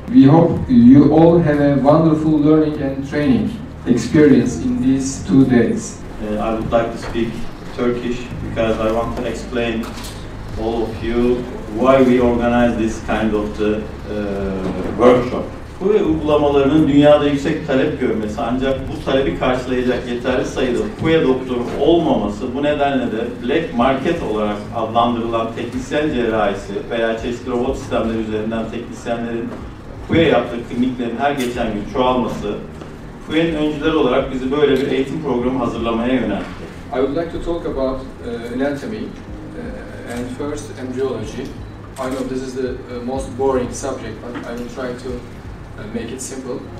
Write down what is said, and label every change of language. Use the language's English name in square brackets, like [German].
[English] We hope you all have a wonderful learning and training experience in these 2 days. I would like to speak Turkish because I want to explain all of you why we organize this kind of the workshop. [Turkish] Bu uygulamalarının dünyada yüksek talep görmesi ancak bu talebi karşılayacak yeterli sayıda FUE doktoru olmaması bu nedenle de black market olarak adlandırılan teknisyen cerrahisi veya çeşitli robot sistemleri üzerinden teknisyenlerin FUE yaptığı kliniklerin her geçen gün çoğalması FUE'nin öncüleri olarak bizi böyle bir eğitim programı hazırlamaya yöneltti. [English] I would like to talk about anatomy and first embryology. I know this is the most boring subject but I will try to make it simple.